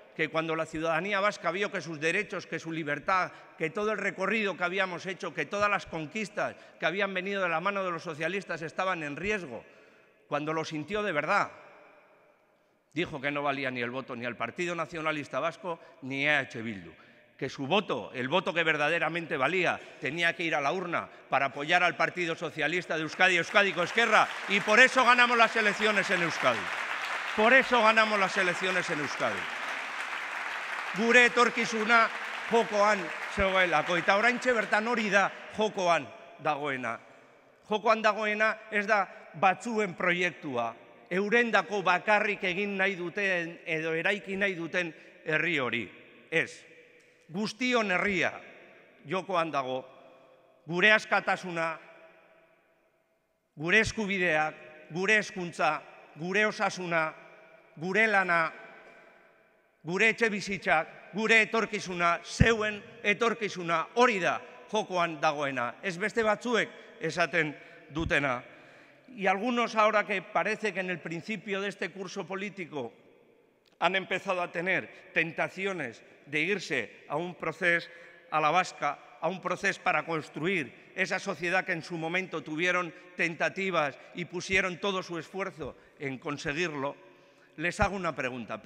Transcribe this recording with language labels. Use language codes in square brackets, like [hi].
[es] Que cuando la ciudadanía vasca vio que sus derechos, que su libertad, que todo el recorrido que habíamos hecho, que todas las conquistas que habían venido de la mano de los socialistas estaban en riesgo, cuando lo sintió de verdad, dijo que no valía ni el voto ni al Partido Nacionalista Vasco ni a EH Bildu. Que su voto, el voto que verdaderamente valía, tenía que ir a la urna para apoyar al Partido Socialista de Euskadi, Euskadi Koezkerra, y por eso ganamos las elecciones en Euskadi. Por eso ganamos las elecciones en Euskadi. [eu] Gure etorkizuna jokoan zegoelako. Eta oraintxe bertan hori da jokoan dagoena. Jokoan dagoena ez da batzuen proiektua. Eurendako bakarrik egin nahi duten edo eraiki nahi duten herri hori. Ez. Guztion herria jokoan dago. Gure askatasuna, gure eskubideak, gure hezkuntza, gure osasuna, gure lana, gure etxe bizitzak, gure etorkizuna, zeuen etorkizuna, hori da jokoan dagoena. Ez beste batzuek esaten dutena. [es] Y algunos ahora que parece que en el principio de este curso político han empezado a tener tentaciones de irse a un proceso a la vasca, a un proceso para construir esa sociedad que en su momento tuvieron tentativas y pusieron todo su esfuerzo en conseguirlo, les hago una pregunta.